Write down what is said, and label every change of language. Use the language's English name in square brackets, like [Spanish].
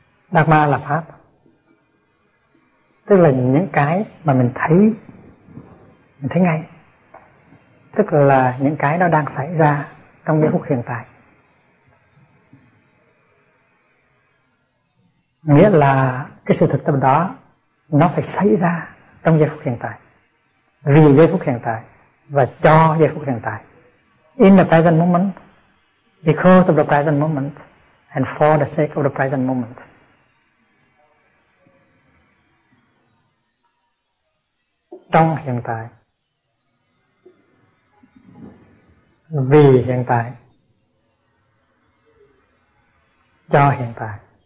[Vietnamese] Dharma là pháp, tức là những cái mà mình thấy ngay, tức là những cái đó đang xảy ra trong cái phút hiện tại. Nghĩa là cái sự thực tập đó nó phải xảy ra trong giây phút hiện tại, vì giây phút hiện tại và cho giây phút hiện tại. [English] In the present moment, because of the present moment, and for the sake of the present moment. [Vietnamese] Trong hiện tại, vì hiện tại, cho hiện tại.